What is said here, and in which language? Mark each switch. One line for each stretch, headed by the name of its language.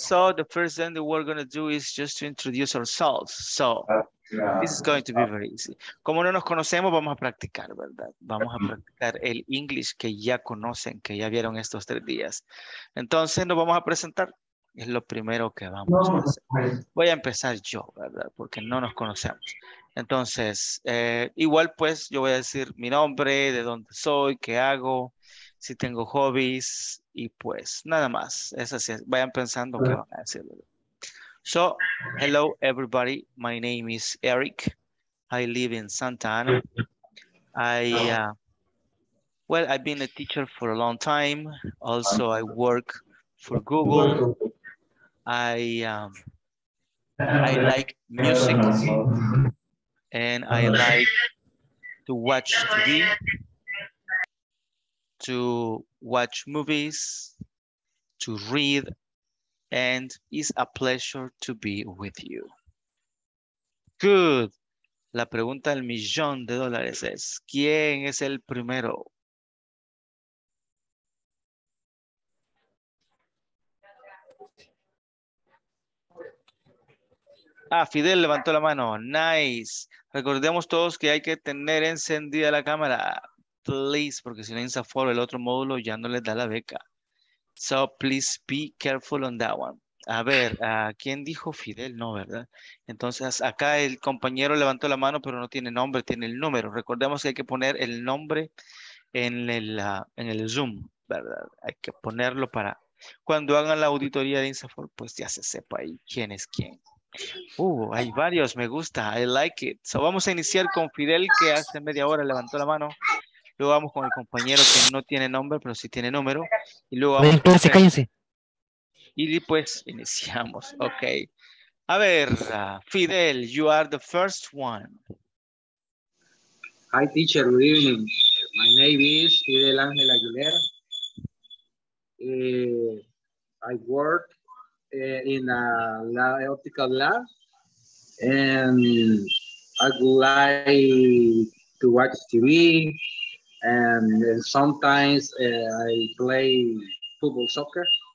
English: So the first thing that we're going to do is just to introduce ourselves. So this is going to be very easy.
Spanish: Como no nos conocemos, vamos a practicar, ¿verdad? Vamos a practicar el inglés que ya conocen, que ya vieron estos tres días. Entonces nos vamos a presentar. Es lo primero que vamos a hacer. Voy a empezar yo, ¿verdad? Porque no nos conocemos. Entonces, igual pues yo voy a decir mi nombre, de dónde soy, qué hago, si tengo hobbies y pues nada más. Es así. Vayan pensando qué van a decir.
English: So, hello everybody. My name is Eric. I live in Santa Ana. I've been a teacher for a long time. Also, I work for Google. I like music and I like to watch TV, to watch movies, to read, and it's a pleasure to be with you. Good.
Spanish: La pregunta del millón de dólares es, ¿quién es el primero? Ah, Fidel levantó la mano. Nice. Recordemos todos que hay que tener encendida la cámara. Please, porque si no InstaForo, el otro módulo ya no les da la beca.
English: So, please be careful on that one.
Spanish: A ver, ¿quién dijo Fidel? No, ¿verdad? Entonces, acá el compañero levantó la mano, pero no tiene nombre, tiene el número. Recordemos que hay que poner el nombre en el Zoom, ¿verdad? Hay que ponerlo para... Cuando hagan la auditoría de InstaForo, pues ya se sepa ahí quién es quién. Hay varios, me gusta,
English: I like it.
Spanish: So vamos a iniciar con Fidel, que hace media hora levantó la mano. Luego vamos con el compañero que no tiene nombre, pero sí tiene número. Y luego vamos. Cállense, cállense. Y pues iniciamos. Ok.
English: A ver, Fidel, you are the first one. Hi, teacher, good evening. My name is Fidel Ángel Aguilera. I work in a optical lab, and I would like to watch TV, and sometimes I play football soccer.